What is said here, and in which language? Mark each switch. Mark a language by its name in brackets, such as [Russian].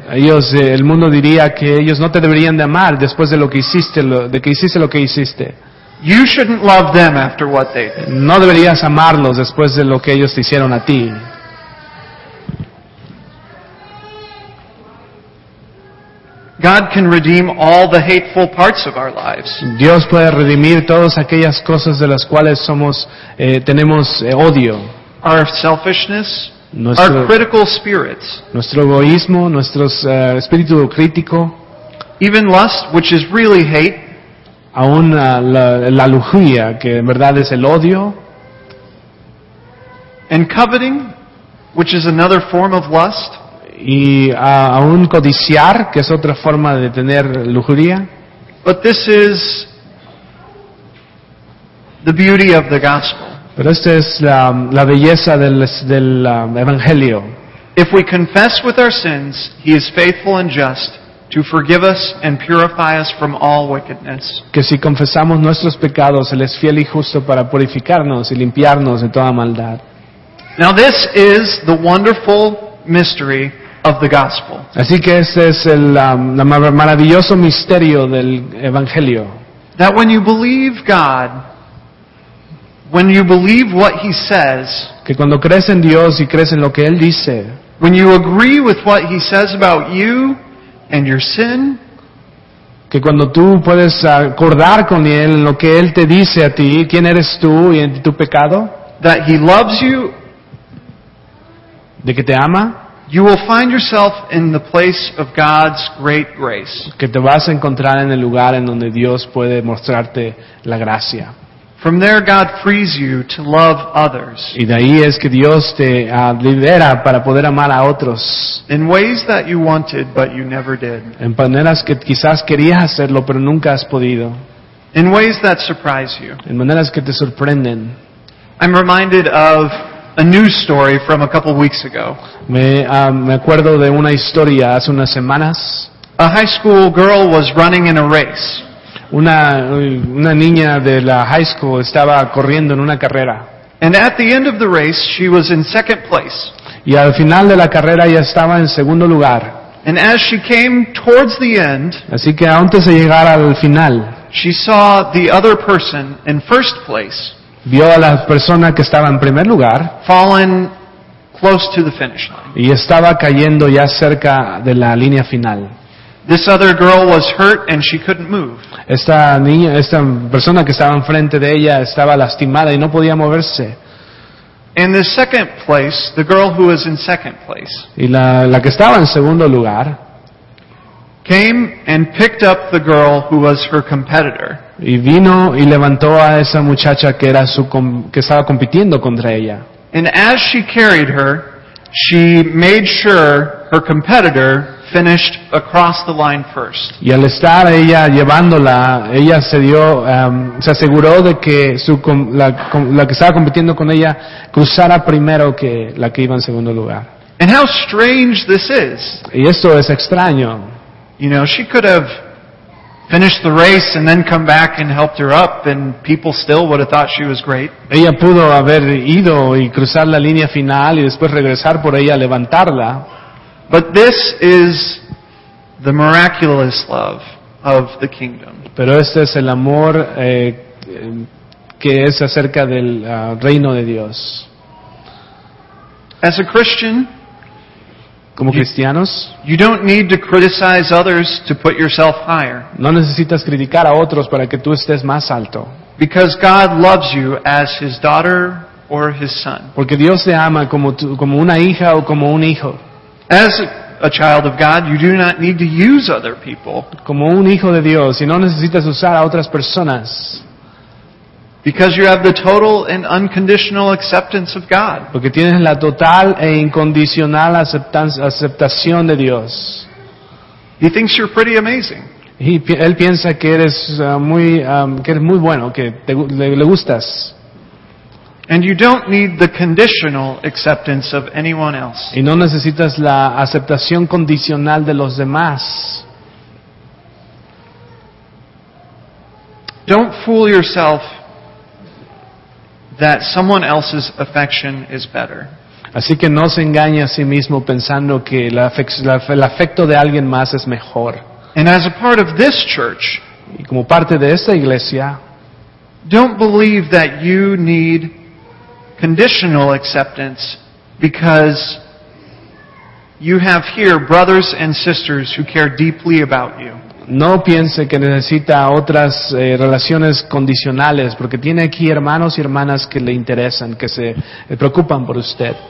[Spanish] Ellos, el mundo diría que ellos no te deberían de amar después de lo que hiciste, lo que hiciste. [English] You shouldn't love them after what they did. [Spanish] No deberías amarlos después de lo que ellos te hicieron a ti. [English] God can redeem all the hateful parts of our lives. [Spanish] Dios puede redimir todas aquellas cosas de las cuales somos tenemos odio. [English] Our selfishness, our critical spirits. [Spanish] Nuestro egoísmo, nuestro espíritu crítico. [English] Even lust, which is really hate. [Spanish] Aún la lujuria, que en verdad es el odio. [English] And coveting, which is another form of lust. [Spanish] Y aún codiciar, que es otra forma de tener lujuria. [English] But this is the beauty of the gospel. [Spanish] Pero esta es la belleza del evangelio. [English] If we confess with our sins, He is faithful and just to forgive us and purify us from all wickedness. [Spanish] Que si confesamos nuestros pecados, Él es fiel y justo para purificarnos y limpiarnos de toda maldad. [English] Now this is the wonderful mystery of the gospel. [Spanish] Así que este es el maravilloso misterio del evangelio. [English] That when you believe God, when you believe what He says, [Spanish] que cuando crees en Dios y crees en lo que Él dice, [English] when you agree with what He says about you and your sin, [Spanish] que cuando tú puedes acordar con él lo que él te dice a ti, quién eres tú y tu pecado, [English] that he loves you, [Spanish] de que te ama, [English] you will find yourself in the place of God's great grace, [Spanish] que te vas a encontrar en el lugar en donde Dios puede mostrarte la gracia. [English] From there God frees you to love others. [Spanish] Y de ahí es que Dios te libera para poder amar a otros. [English] In ways that you wanted but you never did. [Spanish] En maneras que quizás querías hacerlo pero nunca has podido. [English] In ways that surprise you. [Spanish] En maneras que te sorprenden. [English] I'm reminded of a news story from a couple weeks ago. [Spanish] Me acuerdo de una historia hace unas semanas. [English] A high school girl was running in a race. [Spanish] Una niña de la high school estaba corriendo en una carrera. [English] And at the end of the race, she was in second place. [Spanish] Y al final de la carrera ya estaba en segundo lugar. [English] And as she came towards the end, [Spanish] así que antes de llegar al final, [English] she saw the other person in first place. [Spanish] Vio a la persona que estaba en primer lugar. [English] Fallen close to the finish line. [Spanish] Y estaba cayendo ya cerca de la línea final. [English] This other girl was hurt and she couldn't move. [Spanish] Esta niña, esta persona que estaba enfrente de ella estaba lastimada y no podía moverse. [English] In the second place, the girl who was in second place. [Spanish] Y la que estaba en segundo lugar [English] came and picked up the girl who was her competitor. [Spanish] Y vino y levantó a esa muchacha que era su que estaba compitiendo contra ella. [English] And as she carried her, she made sure her competitor finished across the line first. [Spanish] Y al estar ella llevándola, ella se dio se aseguró de que su la que estaba compitiendo con ella cruzara primero que la que iba en segundo lugar. [English] And how strange this is. [Spanish] Y esto es extraño. [English] You know, she could have finished the race and then come back and helped her up, and people still would have thought she was great. [Spanish] Ella pudo haber ido y cruzar la línea final y después regresar por ella, levantarla. [English] But this is the miraculous love of the kingdom. [Spanish] Pero este es el amor que es acerca del reino de Dios. [English] As a Christian, [Spanish] como cristianos, [English] you don't need to criticize others to put yourself higher. [Spanish] No necesitas criticar a otros para que tú estés más alto. [English] Because God loves you as His daughter or His son. [Spanish] Porque Dios te ama como tú, como una hija o como un hijo. [English] As a child of God, you do not need to use other people. [Spanish] Como un hijo de Dios, y no necesitas usar a otras personas. [English] Because you have the total and unconditional acceptance of God. [Spanish] Porque tienes la total e incondicional aceptación de Dios. [English] He thinks you're pretty amazing. [Spanish] Él piensa que eres muy bueno, que le gustas. [English] And you don't need the conditional acceptance of anyone else. [Spanish] Y no necesitas la aceptación condicional de los demás. [English] Don't fool yourself that someone else's affection is better. [Spanish] Así que no se engañe a sí mismo pensando que el afecto de alguien más es mejor. [English] And as a part of this church, [Spanish] y como parte de esta iglesia, [English] don't believe that you need conditional acceptance because you have here brothers and sisters who care deeply about you. [Spanish] No piense que necesita otras relaciones condicionales, porque tiene aquí hermanos y hermanas que le interesan, que se preocupan por usted.